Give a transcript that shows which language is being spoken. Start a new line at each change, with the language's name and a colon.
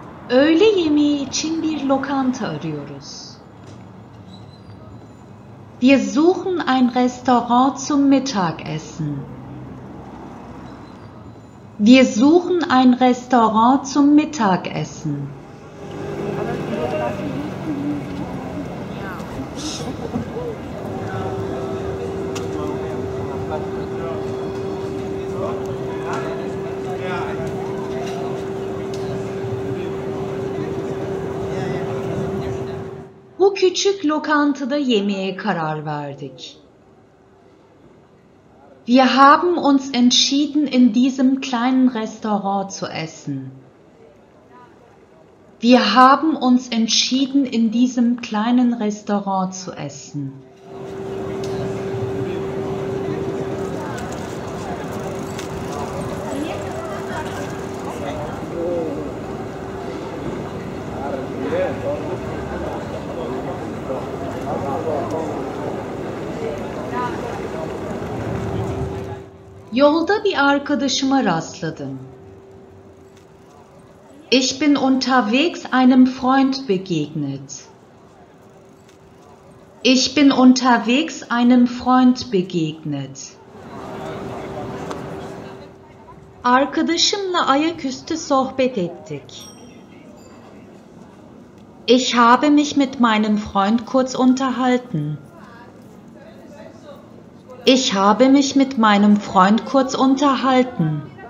Turkish: Öğle yemeği için bir lokanta arıyoruz.
German: Wir suchen ein Restaurant zum Mittagessen. Wir suchen ein Restaurant zum Mittagessen.
Turkish: Bu küçük lokantada yemeğe karar verdik.
German: Wir haben uns entschieden, in diesem kleinen Restaurant zu essen. Wir haben uns entschieden, in diesem kleinen Restaurant zu essen.
Turkish: Yolda bir arkadaşıma rastladım.
German: Ich bin unterwegs einem Freund begegnet. Ich bin unterwegs einem Freund begegnet.
Turkish: Arkadaşımla ayaküstü sohbet ettik.
German: Ich habe mich mit meinem Freund kurz unterhalten. Ich habe mich mit meinem Freund kurz unterhalten.